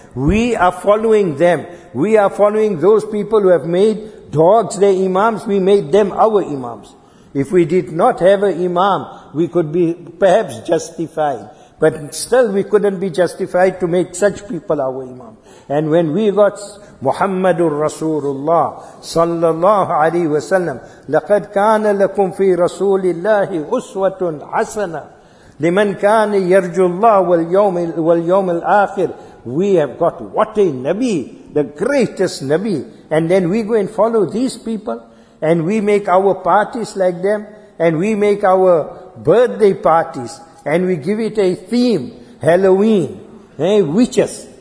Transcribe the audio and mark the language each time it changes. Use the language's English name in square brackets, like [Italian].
[English] We are following them. We are following those people who have made dogs their imams, we made them our imams. If we did not have an imam, we could be perhaps justified. But still we couldn't be justified to make such people our imam. And when we got Muhammadur Rasulullah sallallahu alaihi wasallam, [Arabic] لقد كان لكم في رسول الله أسوة حسنة لمن كان يرجو الله واليوم الآخر. [English] We have got what a Nabi, the greatest Nabi. And then we go and follow these people, and we make our parties like them, and we make our birthday parties, and we give it a theme, Halloween, witches.